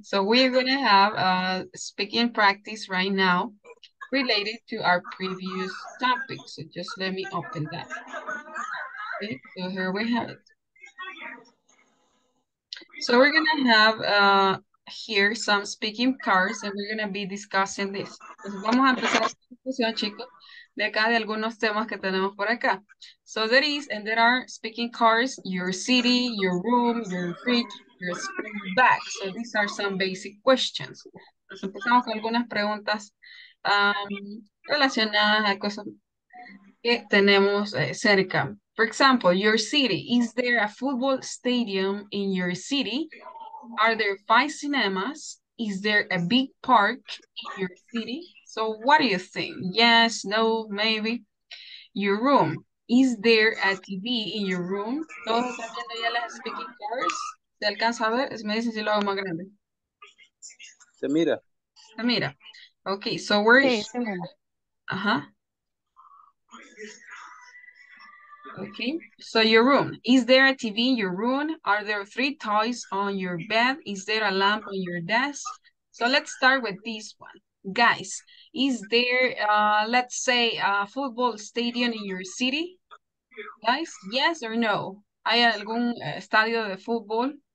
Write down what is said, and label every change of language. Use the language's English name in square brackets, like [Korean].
[English] So we're gonna have a speaking practice right now related to our previous topic. So just let me open that. Okay, so here we have it. So we're gonna have here some speaking cards and we're gonna be discussing this. [Spanish] Entonces vamos a empezar esta discusión, chicos. De acá, de algunos temas que tenemos por acá. [English] So there is, and there are speaking cards, your city, your room, your fridge, your spring bag. So these are some basic questions. [Spanish] Entonces empezamos con algunas preguntas relacionadas a cosas que tenemos cerca. [English] For example, your city, is there a football stadium in your city? Are there 5 cinemas? Is there a big park in your city? So what do you think? Yes, no, maybe. Your room. Is there a TV in your room? [Spanish] ¿Todos están viendo ya las speaking cards? ¿Se alcanza a ver? Me dicen si lo hago más grande. Se mira. Se mira. [English] Okay, so where is... Okay, so your room. Is there a TV in your room? Are there 3 toys on your bed? Is there a lamp on your desk? So let's start with this one. Guys, is there, let's say, a football stadium in your city? Guys, yes or no? [Spanish] ¿Hay algún estadio de fútbol?